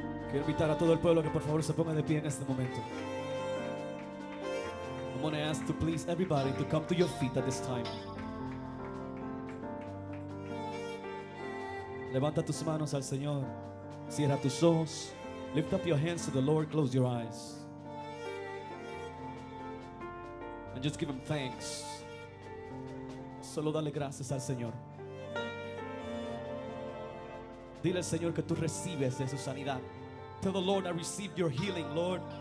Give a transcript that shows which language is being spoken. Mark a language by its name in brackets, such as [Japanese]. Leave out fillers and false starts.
[Spanish] Quiero invitar a todo el pueblo que por favor se ponga de pie en este momento. [English] I'm going to ask to please everybody to come to your feet at this time. [Spanish] Levanta tus manos al Señor. Cierra tus ojos. [English] Lift up your hands to the Lord. Close your eyes. And just give him thanks. [Spanish] Solo dale gracias al Señor. Dile al Señor que tú recibes de su sanidad. [English] Tell the Lord, I received your healing, Lord.